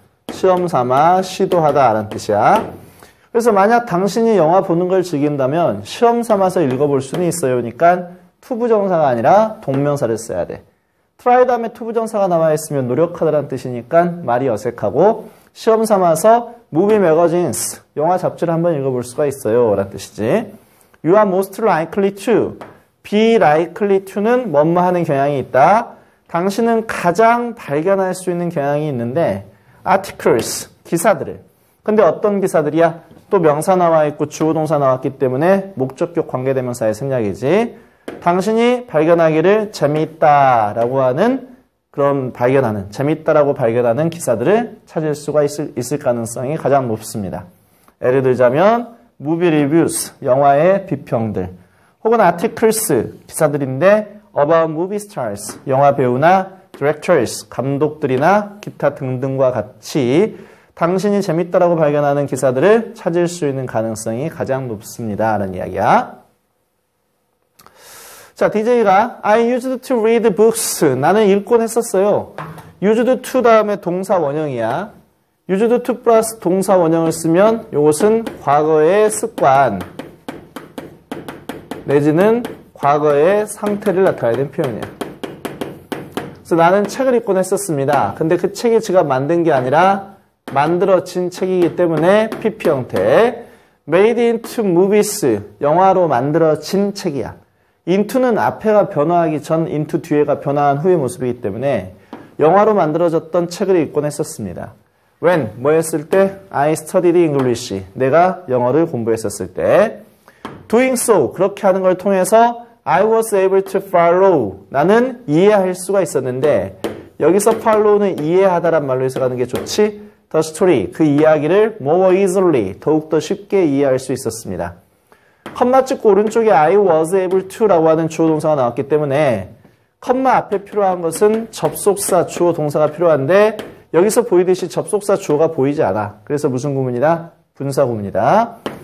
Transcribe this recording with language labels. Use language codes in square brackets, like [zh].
[ko] 시험 삼아 시도하다라는 뜻이야. 그래서 만약 당신이 영화 보는 걸 즐긴다면 시험 삼아서 읽어볼 수는 있어요. 그러니까 to 부정사가 아니라 동명사를 써야 돼. try 다음에 to 부정사가 나와 있으면 노력하다라는 뜻이니까 말이 어색하고, 시험 삼아서 [en] movie magazines, [ko] 영화 잡지를 한번 읽어볼 수가 있어요 라는 뜻이지. [en] You are most likely to, be likely to는 [ko] 뭐뭐 하는 경향이 있다. 당신은 가장 발견할 수 있는 경향이 있는데 [en] articles, [ko] 기사들을. 근데 어떤 기사들이야? 또 명사 나와 있고 주어동사 나왔기 때문에 목적격 관계대명사의 생략이지. 당신이 발견하기를 재미있다라고 하는, 그런 발견하는, 재밌다라고 발견하는 기사들을 찾을 수가 있을 가능성이 가장 높습니다. 예를 들자면 [en] movie reviews, [ko] 영화의 비평들, 혹은 articles, 기사들인데 [en] about movie stars, [ko] 영화 배우나 [en] directors, [ko] 감독들이나 기타 등등과 같이 당신이 재밌다라고 발견하는 기사들을 찾을 수 있는 가능성이 가장 높습니다 라는 이야기야. [en] 자, DJ가 I used to read books. [ko] 나는 읽곤 했었어요. used to 다음에 동사 원형이야. used to 플러스 동사 원형을 쓰면 이것은 과거의 습관 내지는 과거의 상태를 나타내야 되는 표현이야. 그래서 나는 책을 읽곤 했었습니다. 근데 그 책이 제가 만든 게 아니라 만들어진 책이기 때문에 PP 형태. [en] made into movies. [ko] 영화로 만들어진 책이야. into는 앞에가 변화하기 전, into 뒤에가 변화한 후의 모습이기 때문에 영화로 만들어졌던 책을 읽곤 했었습니다. [en] When, [ko] 뭐 했을 때? [en] I studied English. [ko] 내가 영어를 공부했었을 때. [en] Doing so, [ko] 그렇게 하는 걸 통해서 [en] I was able to follow. [ko] 나는 이해할 수가 있었는데, 여기서 follow는 이해하다란 말로 해석하는 게 좋지. [en] The story, [ko] 그 이야기를 [en] more easily, [ko] 더욱더 쉽게 이해할 수 있었습니다. 컴마 찍고 오른쪽에 I was able to 라고 하는 주어 동사가 나왔기 때문에 컴마 앞에 필요한 것은 접속사 주어 동사가 필요한데 여기서 보이듯이 접속사 주어가 보이지 않아. 그래서 무슨 구문이다? 분사 구문이다.